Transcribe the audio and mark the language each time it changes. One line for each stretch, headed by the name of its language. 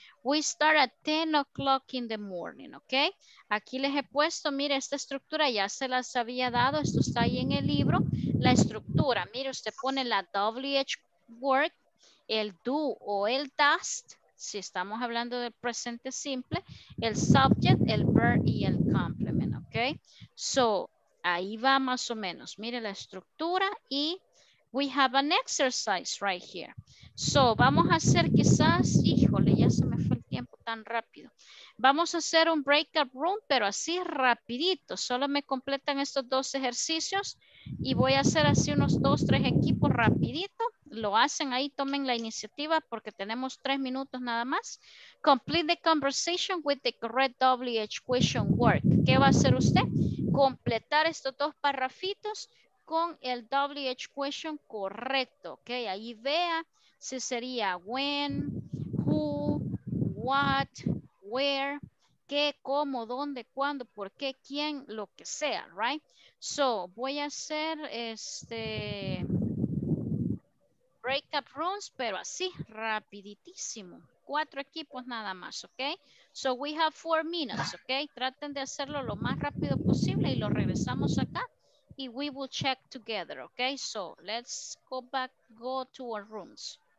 English: We start at 10 o'clock in the morning, okay?
Spanish: Aquí les he puesto, mire, esta estructura ya se las había dado, esto está ahí en el libro, la estructura, mire, usted pone la WH word, el do o el does, si estamos hablando del presente simple, el subject, el verb y el complement, okay? So, ahí va más o menos, mire la estructura y
English: we have an exercise right here.
Spanish: So, vamos a hacer quizás, híjole, ya se me fue el tiempo tan rápido. Vamos a hacer un breakout room, pero así rapidito. Solo me completan estos dos ejercicios y voy a hacer así unos dos, tres equipos rapidito. Lo hacen ahí, tomen la iniciativa porque tenemos 3 minutos nada más.
English: Complete the conversation with the correct WH question word.
Spanish: ¿Qué va a hacer usted? Completar estos dos parrafitos con el WH question correcto, ok, ahí vea si sería when, who, what, where, qué, cómo, dónde, cuándo, por qué, quién, lo que sea, right? So, voy a hacer este breakup rooms, pero así, rapiditísimo, 4 equipos nada más, ok?
English: So, we have 4 minutes, ok?
Spanish: Traten de hacerlo lo más rápido posible y lo regresamos acá.
English: And we will check together, okay? So let's go back, go to our rooms.